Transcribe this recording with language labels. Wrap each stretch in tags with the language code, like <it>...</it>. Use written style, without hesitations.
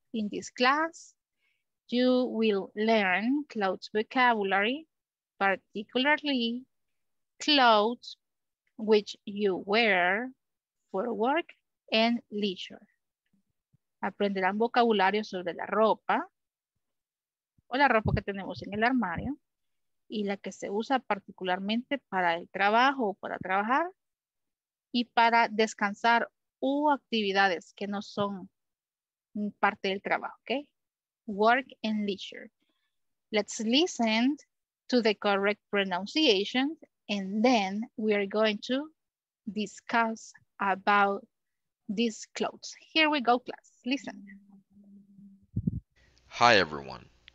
<en>In this class, you will learn clothes vocabulary, particularly clothes which you wear for work and leisure.</en> <es>Aprenderán vocabulario sobre la ropa o la ropa que tenemos en el armario y la que se usa particularmente para el trabajo o para trabajar y para descansar u actividades que no son parte del trabajo, ¿ok?</es> <en>Work and leisure. Let's listen to the correct pronunciation and then we are going to discuss about these clothes. Here we go, class. Listen. Hi, everyone.</en>